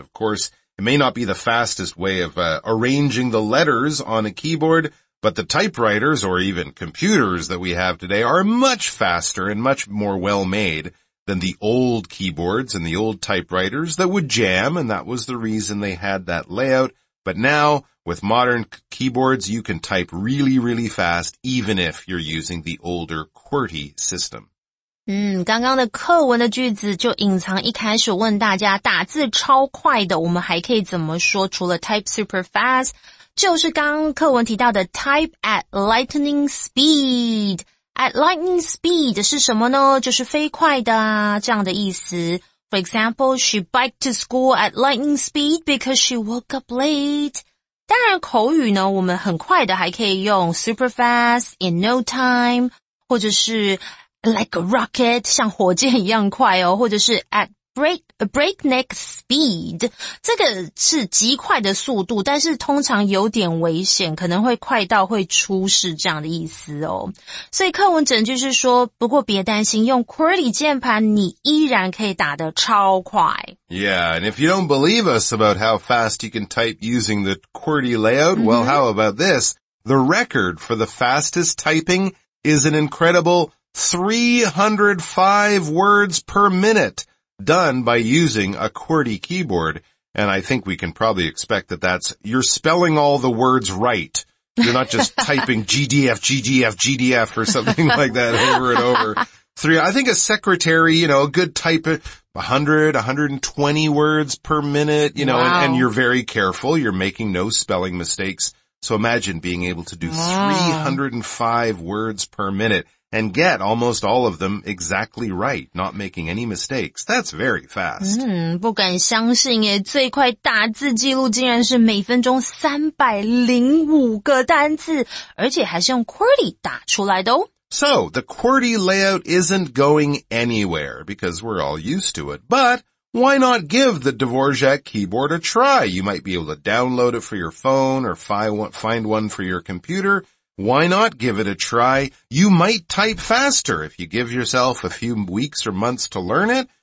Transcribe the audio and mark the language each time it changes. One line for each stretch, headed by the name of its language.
English: Of course, it may not be the fastest way of arranging the letters on a keyboard, but the typewriters or even computers that we have today are much faster and much more well-made than the old keyboards and the old typewriters that would jam, and that was the reason they had that layout. But now, with modern keyboards, you can type really, really fast, even if you're using the older QWERTY system.
Chinese: 刚刚的课文的句子就隐藏一开始问大家打字超快的，我们还可以怎么说？除了
English: type super fast,
Chinese: 就是刚刚课文提到的
English: type at lightning speed. At lightning speed
Chinese: 是什么呢？就是飞快的啊，这样的意思。
English: For example, she biked to school at lightning speed because she woke up late.
Chinese: 当然口语呢我们很快的还可以用
English: super fast, in no time,
Chinese: 或者是
English: like a rocket,
Chinese: 像火箭一样快哦或者是
English: at breakneck speed.
Chinese: 这个是极快的速度但是通常有点危险可能会快到会出事这样的意思哦。所以课文整句是说不过别担心用 QWERTY 键盘你依然可以打得超快。
English: Yeah, and if you don't believe us about how fast you can type using the QWERTY layout, well, how about this? The record for the fastest typing is an incredible 305 words per minute. Done by using a QWERTY keyboard, and I think we can probably expect that that's you're spelling all the words right You're not just typing GDF, GDF, GDF or something like that over and over. Three, I think a secretary, you know, a good type of 100, 120 words per minute, you know, wow. and you're very careful. You're making no spelling mistakes. So imagine being able to do 305 words per minute and get almost all of them exactly right, not making any mistakes. That's very fast.
Chinese: 不敢相信耶，最快打字记录竟然是每分钟305个单字，而且还是用 QWERTY 打出来的哦。
English: So, the QWERTY layout isn't going anywhere because we're all used to it, but why not give the Dvorak keyboard a try? You might be able to download it for your phone or find one for your computer. Why not give it a try? You might type faster if you give yourself a few weeks or months to learn it.